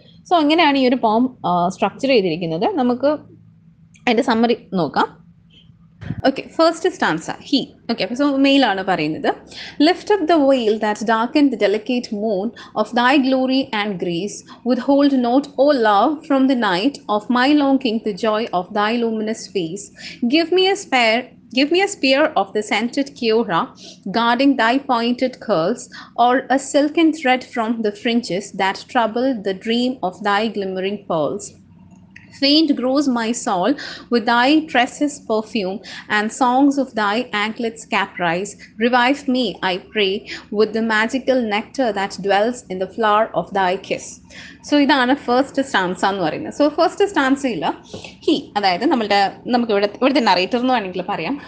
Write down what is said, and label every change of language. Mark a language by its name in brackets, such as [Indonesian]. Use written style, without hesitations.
[Malayalam] So അങ്ങനെയാണ് ഈ ഒരു പോം സ്ട്രക്ചർ ചെയ്തിരിക്കുന്നത്. നമുക്ക് അതിൻ്റെ സമ്മറി നോക്കാം. Okay, first stanza he. Okay, so മെയിലാണ് പറയുന്നത്. [English] Lift up the veil that dark and the delicate moon of thy glory and grace, withhold not O love from the night of my longing the joy of thy luminous face. Give me a spear of the scented kiora guarding thy pointed curls, or a silken thread from the fringes that trouble the dream of thy glimmering pearls. Faint grows my soul with thy tresses perfume, and songs of thy anklets caprice. Revive me, I pray, with the magical nectar that dwells in the flower of thy kiss. [Malayalam] So ഇതാണ് first stanza എന്ന് പറയുന്നത്. So first സ്റ്റാൻസയിൽ he, അതായത് നമ്മളുടെ നമുക്ക് ഇവിടുത്തെ narrator എന്ന് വേണമെങ്കിൽ പറയാം.